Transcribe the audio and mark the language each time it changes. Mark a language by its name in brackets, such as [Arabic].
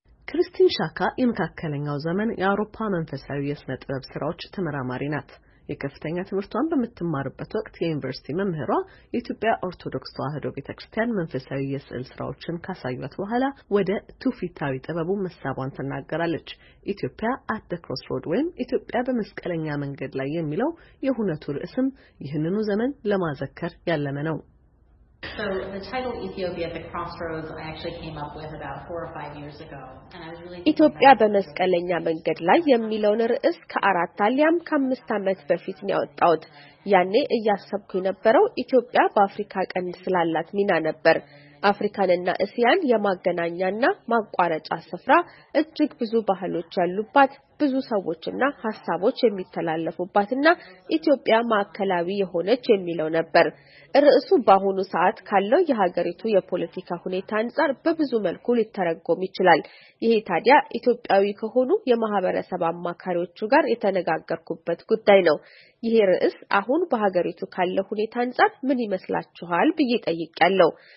[Amharic] ክርስቲን ሻካ የመካከለኛው ዘመን የአውሮፓ መንፈሳዊ የስነ ጥበብ ስራዎች ተመራማሪ ናት። የከፍተኛ ትምህርቷን በመትማርበት ወቅት የዩኒቨርሲቲ መምህሯ የኢትዮጵያ ኦርቶዶክስ ተዋህዶ ቤተክርስቲያን መንፈሳዊ የስዕል ስራዎችን ካሳዩት በኋላ ወደ ትውፊታዊ ጥበቡ መሳቧን ተናገራለች። ኢትዮጵያ አት ዘ ክሮስ ሮድ ወይም ኢትዮጵያ በመስቀለኛ መንገድ ላይ የሚለው የሁነቱ ርዕስም ይህንኑ ዘመን ለማዘከር ያለመ ነው። [English] So the title Ethiopia at the Crossroads I actually came up with about 4 or 5 years ago and I was really [Amharic] ኢትዮጵያ በመስቀለኛ መንገድ ላይ የሚለውን ርዕስ ከአራት አሊያም ከአምስት አመት በፊት ነው ያወጣሁት። ያኔ እያሰብኩ የነበረው ኢትዮጵያ በአፍሪካ ቀንድ ስላላት ሚና ነበር። አፍሪካንና እስያን የማገናኛና ማቋረጫ ስፍራ እጅግ ብዙ ባህሎች ያሉባት ብዙ ሰዎችና ሐሳቦች የሚተላለፉባትና ኢትዮጵያ ማከላዊ የሆነች የሚለው ነበር። ርዕሱ በአሁኑ ሰዓት ካለው የሀገሪቱ የፖለቲካ ሁኔታ አንጻር በብዙ መልኩ ሊተረጎም ይችላል። ይሄ ታዲያ ኢትዮጵያዊ ከሆኑ የማህበረሰብ አማካሪዎቹ ጋር የተነጋገርኩበት ጉዳይ ነው። ይሄ ርዕስ አሁን በሀገሪቱ ካለው ሁኔታ አንጻር ምን ይመስላችኋል ብዬ ጠይቄያለሁ።